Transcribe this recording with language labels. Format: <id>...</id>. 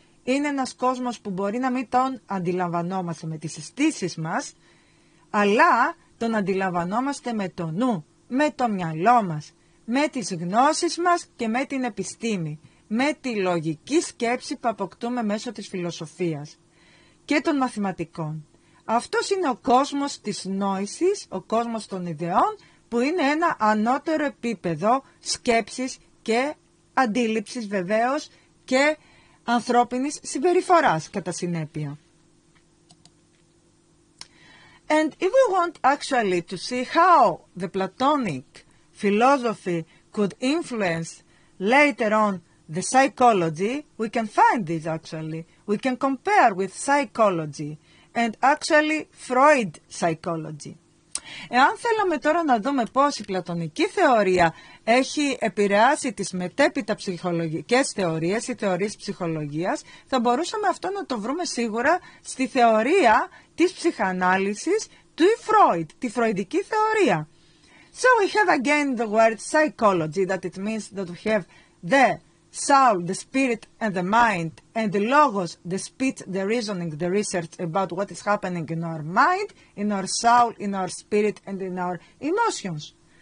<el>Είναι ένας κόσμος που μπορεί να μην τον αντιλαμβανόμαστε με τις αισθήσεις μας, αλλά τον αντιλαμβανόμαστε με το νου, με το μυαλό μας, με τις γνώσεις μας και με την επιστήμη, με τη λογική σκέψη που αποκτούμε μέσω της φιλοσοφίας και των μαθηματικών. Αυτός είναι ο κόσμος της νόησης, ο κόσμος των ιδεών, που είναι ένα ανώτερο επίπεδο σκέψης και αντίληψης βεβαίως και ανθρώπινης συμπεριφοράς κατά συνέπεια.</el> <en>And if we want actually to see how the Platonic philosophy could influence later on the psychology, we can find this actually. We can compare with psychology and actually Freud psychology.</en> <el>Εάν θέλουμε τώρα να δούμε πώς η πλατωνική θεωρία έχει επηρεάσει τις μετέπειτα ψυχολογικές θεωρίες ή θεωρίες ψυχολογίας, θα μπορούσαμε αυτό να το βρούμε σίγουρα στη θεωρία της ψυχανάλυσης του Freud, τη φρουιντική θεωρία.</el> <en>So we have again the word psychology, that it means that we have the soul, the spirit and the mind, and the logos, the speech, the reasoning, the research about what is happening in our mind, in our soul, in our spirit and in our emotions.</en>